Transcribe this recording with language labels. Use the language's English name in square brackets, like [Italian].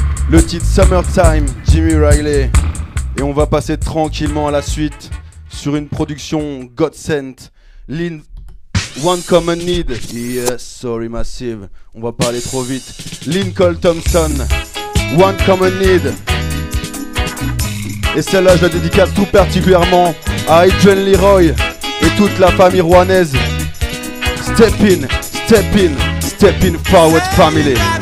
[French] Le titre Summertime, Jimmy Riley. Et on va passer tranquillement à la suite sur une production Godsent, Lean One Common Need. [English] Yes, sorry, Massive. [French] On va pas aller trop vite. Lincoln Thompson, One Common Need. Et celle-là, je la dédicace tout particulièrement à Adrian Leroy et toute la famille rouennaise. [English] Step in, step in, step in forward, family.